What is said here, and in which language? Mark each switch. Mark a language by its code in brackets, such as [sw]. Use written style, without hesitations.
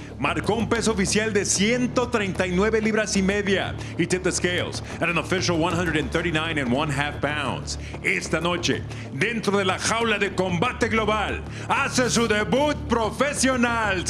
[es] Marcó un peso oficial de 139 libras y media. [en] He tipped the scales at an official 139 and one half pounds. [es] Esta noche, dentro de la jaula de combate global, hace su debut profesional.